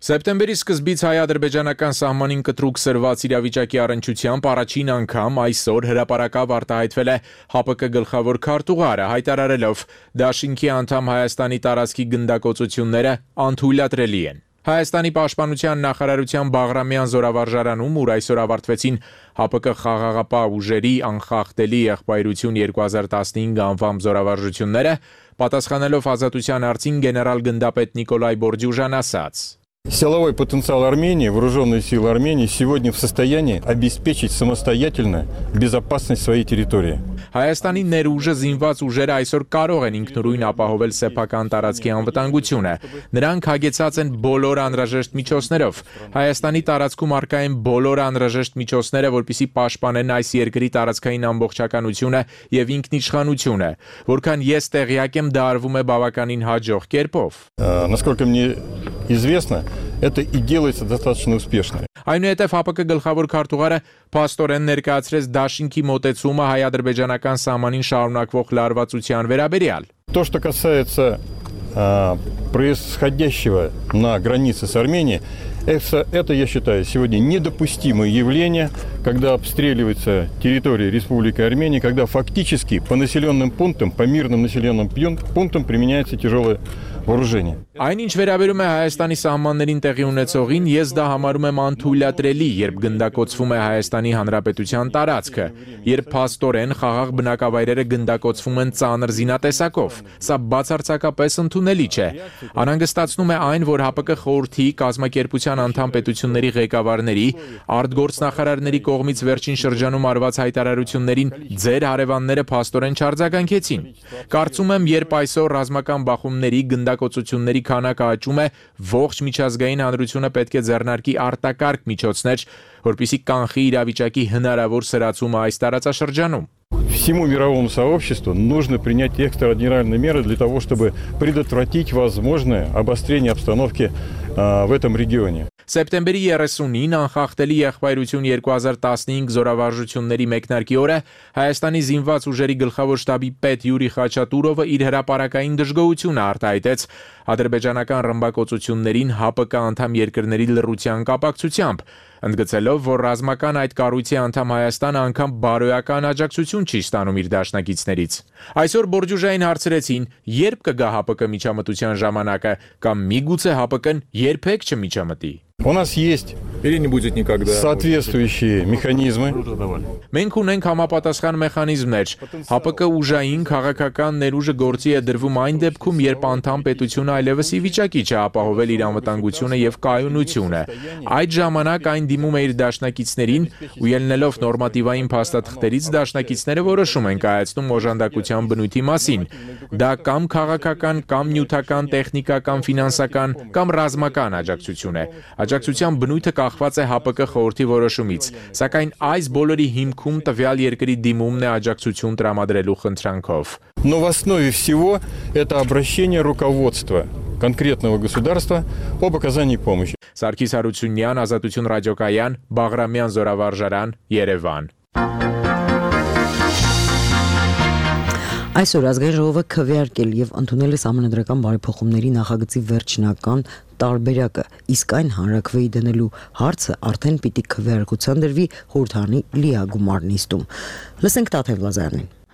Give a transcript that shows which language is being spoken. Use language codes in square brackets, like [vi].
[hy] Սեպտեմբերի սկզբից հայ-ադրբեջանական սահմանին կտրուկ սրված իրավիճակի առնչությամբ առաջին անգամ այսօր հրապարակա արտահայտվել է ՀԱՊԿ գլխավոր քարտուղարը, հայտարարելով՝ «Դաշինքի անդամ Հայաստանի տարածքի գնդակոծությունները անթույլատրելի են»։ Հայաստանի պաշտպանության նախարարության Բաղրամյան զորավարժանում, ուր այսօր ավարտվեցին ՀԱՊԿ խաղաղապահ ուժերի անխախտելի եղբայրություն 2015 անվամբ զորավարժությունները, պատասխանելով Ազատության արձին գեներալ գնդապետ Նիկոլայ Բորդյուժան ասաց. [ru] Силовой потенциал Армении, вооруженные силы Армении сегодня в состоянии обеспечить самостоятельно безопасность своей территории. [hy] Հայաստանի ներուժը զինված ուժերը այսօր կարող են ինքնուրույն ապահովել սեփական տարածքի անվտանգությունը։ Նրանք հագեցած են բոլոր անհրաժեշտ միջոցներով։ Հայաստանի տարածքում առկա են բոլոր անհրաժեշտ միջոցները, որպեսզի պաշտպանեն այս երկրի տարածքային ամբողջականությունը եւ ինքնիշխանությունը, որքան ես տեղյակ եմ, դա արվում է բավականին հաջող կերպով։ [ru] Насколько мне известно, Это и делается достаточно успешно. [hy] Այնուհետև ՀԱՊԿ-ի գլխավոր քարտուղարը պաստորեն ներկայացրեց Դաշինքի մոտեցումը հայ-ադրբեջանական սահմանին շարունակվող լարվածության վերաբերյալ. [ru] То, что касается происходящего на границе с Арменией, это, я считаю, сегодня недопустимое явление, когда обстреливается территория Республики Армения, когда фактически по населенным пунктам, по мирным населенным пунктам применяется тяжелое вооружение. [hy] Այն ինչ վերաբերում է Հայաստանի սահմաններին տեղի ունեցողին, ես դա համարում եմ անթույլատրելի, երբ գնդակոծվում է Հայաստանի Հանրապետության տարածքը, երբ փաստորեն խաղաղ բնակավայրերը գնդակոծվում են ծանր զինատեսակով, սա բացարձակապես ընդունելի չէ։ Անհանգստացնում է այն, որ ՀԱՊԿ-ի խորհրդի կազմակերպության անդամ պետությունների ղեկավարների, արտգործնախարարների կողմից վերջին շրջանում արված հայտարարություններին ձեր հարևանները փաստորեն չարձագանքեցին։ Կարծում եմ, երբ այսօր ռազմական բախումների գնդակոծություն ների քանակը աճում է, ողջ միջազգային հանրությունը պետք է ձեռնարկի արտակարգ միջոցներ, որպիսի կանխի իրավիճակի հնարավոր սրացումը այս տարածաշրջանում. [ru] Всему мировому сообществу нужно принять экстраординарные меры для того, чтобы предотвратить возможное обострение обстановки в этом регионе. [hy] Սեպտեմբերի 30-ին անխախտելի եղբայրություն 2015 զորավարժությունների մեկնարկի օրը Հայաստանի զինված ուժերի գլխավոր շտաբի պետ Յուրի Խաչատուրովը իր հրապարակային դժգոհությունը արտահայտեց ադրբեջանական ռմբակոծություններին ՀԱՊԿ անդամ երկրների լռության կապակցությամբ, ընդգծելով, որ ռազմական այդ կառույցի անդամ Հայաստանը անգամ բարոյական աջակցություն չի ստանում իր դաշնակիցներից։ Այսօր Բորջուժային հարցրեցին, երբ կգա ՀԱՊԿ-ի միջամտության ժամանակը, կամ միգուցե ՀԱՊԿ-ն երբեք չմիջամտի։ [ru] У нас есть соответствующие механизмы. [hy] Մենք ունենք համապատասխան մեխանիզմներ։ ՀԱՊԿ-ի ուժային քաղաքական ներուժը գործի է դրվում այն դեպքում, երբ անդամ պետությունը այլևս ի վիճակի չէ ապահովել իր անվտանգությունը եւ կայունությունը։ Այդ ժամանակ այն դիմում է իր դաշնակիցներին, ու ելնելով նորմատիվային փաստաթղթերից դաշնակիցները որոշում են կայացնում օժանդակության բնույթի մասին։ Դա կամ քաղաքական, կամ նյութական, տեխնիկական, ֆինանսական, կամ ռազմական աջակցություն է։ Աջակցության բնույթը կախված է ՀԱՊԿ-ի խորհրդի որոշումից, սակայն այս բոլորի հիմքում տվյալ երկրի դիմումն է աջակցություն տրամադրելու խնդրանքով։ [ru] Но в основе всего это обращение руководства конкретного государства об оказании помощи. [hy] Սարգիս Հարությունյան, Ազատություն ռադիոկայան, Բաղրամյան զորավարժարան, Երևան։ Այսօր ազգային ժողովը քվեարկել եւ ընդունել է համանդրական բարեփոխումների նախագծի վերջնական տարբերակը, իսկ այն հանրաքվեի դնելու հարցը արդեն պիտի քվեարկության դրվի խորհրդանի լիագումար նիստում։ Լսենք Տաթև Լազարյանին։